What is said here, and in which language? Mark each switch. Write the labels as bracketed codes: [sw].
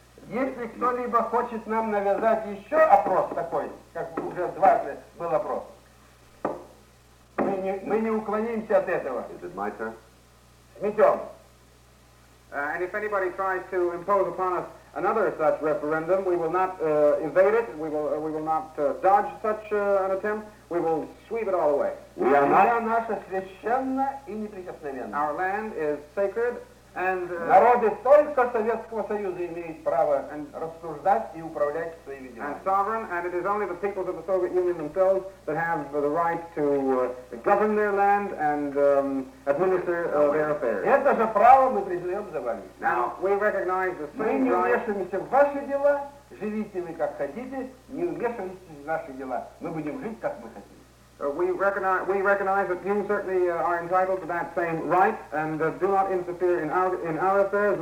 [ru] Если кто-либо хочет нам навязать еще опрос такой, как уже дважды был опрос. Мы не уклонимся от этого. [en] Is it my turn? [ru] Сметем. [en] And if anybody tries to impose upon us another such referendum, we will not evade it. We will not dodge such an attempt. We will sweep it all away. We are not. [ru] Земля наша священна и неприкосновенна. [en] Our land is sacred. And [ru] народы только Советского Союза имеют право рассуждать и управлять своими делами. [en] And sovereign, and it is only the peoples of the Soviet Union themselves that have the right to govern their land and administer their affairs. [ru] Это же право мы признаем за вами. [en] Now, we recognize the same right. [ru] Мы не вмешиваемся в ваши дела, живите вы как хотите, не вмешивайтесь в наши дела. Мы будем жить, как мы хотим. [en] We recognize that you certainly are entitled to that same right, and do not interfere in our affairs.